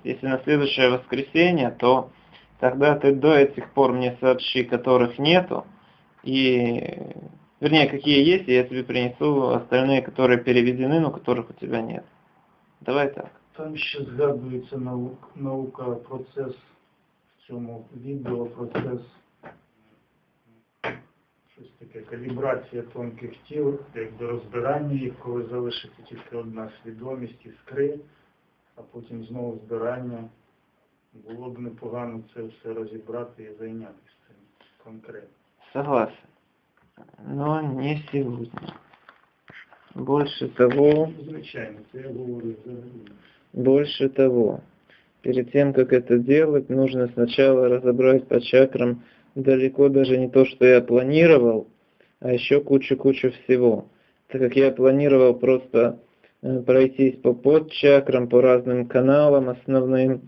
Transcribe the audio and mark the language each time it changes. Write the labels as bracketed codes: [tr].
[ru] Если на следующее воскресенье, то тогда ты до этих пор мне сообщи, которых нету, и, вернее, какие есть, и я тебе принесу остальные, которые переведены, но которых у тебя нет. Давай так. Там еще сгадывается наука, процесс, в чем видео, процесс... [uk] щось таке, калібрація тонких тіл, як до розбирання їх, коли залишиться тільки одна свідомість, іскри, а потім знову збирання. Було б непогано це все розібрати і зайнятися цим конкретно. [ru] Согласен. Но не сьогодні. Больше того... [uk] Звичайно, це я говорю взагалі. [ru] Больше того, перед тем, как это делать, нужно сначала разобрать по чакрам далеко даже не то, что я планировал, а еще кучу-кучу всего. Так как я планировал просто пройтись по подчакрам, по разным каналам основным.